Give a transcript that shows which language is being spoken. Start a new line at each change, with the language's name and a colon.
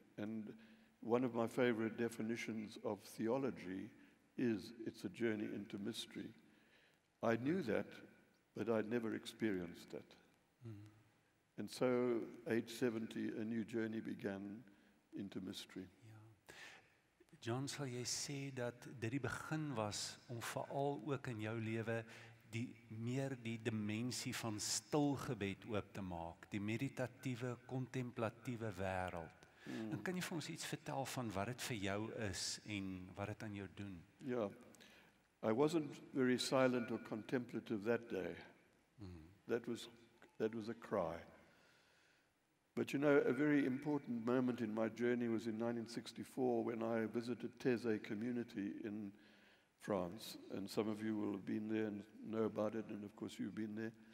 English: And one of my favorite definitions of theology is it's a journey into mystery. I knew that, but I'd never experienced it. Mm-hmm. And so, age 70, a new journey began into mystery.
Afrikaans: John, sal jy sê dat dit die begin was om veral ook in jou lewe die meer die dimensie van stilgebed oop te maak, die meditatiewe, contemplatiewe wêreld. Mm. En kan jy vir ons iets vertel van wat dit vir jou is en wat dit aan jou doen?
English: Ja, I wasn't very silent or contemplative that day. Mm. That was a cry. But you know, a very important moment in my journey was in 1964 when I visited Teze community in France, and some of you will have been there and know about it, and of course you've been there.